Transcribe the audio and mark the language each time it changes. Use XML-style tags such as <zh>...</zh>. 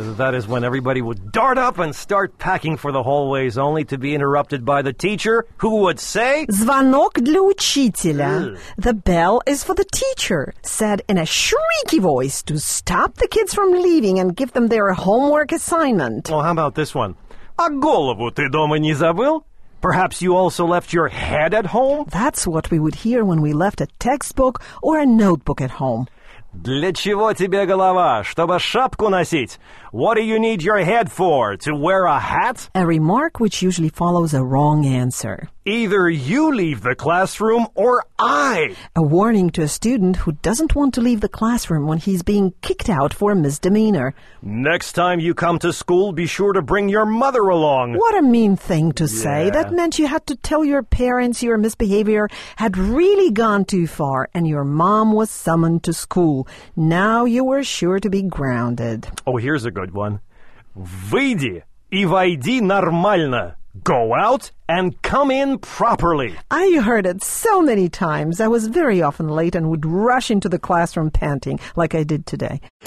<en>That is when everybody would dart up and start packing for the hallways, only to be interrupted by the teacher, who would say...</en> <ru>Звонок для учителя.</ru> <en>The bell is for the teacher, said in a shrieky voice to stop the kids from leaving and give them their homework assignment. Well, how about this one?</en> <ru>А голову ты дома не забыл?</ru> <en>Perhaps you also left your head at home? That's what we would hear when we left a textbook or a notebook at home.</en> <ru>Для чего тебе голова? Чтобы шапку носить?</ru> <en>What do you need your head for? To wear a hat? A remark which usually follows a wrong answer. Either you leave the classroom or I. A warning to a student who doesn't want to leave the classroom when he's being kicked out for a misdemeanor. Next time you come to school, be sure to bring your mother along. What a mean thing to say. That meant you had to tell your parents your misbehavior had really gone too far and your mom was summoned to school. Now you were sure to be grounded. Oh, here's a good one.</en> <ru>Выйди и войди нормально.</ru> <en>Go out and come in properly. I heard it so many times. I was very often late and would rush into the classroom panting like I did today.</en>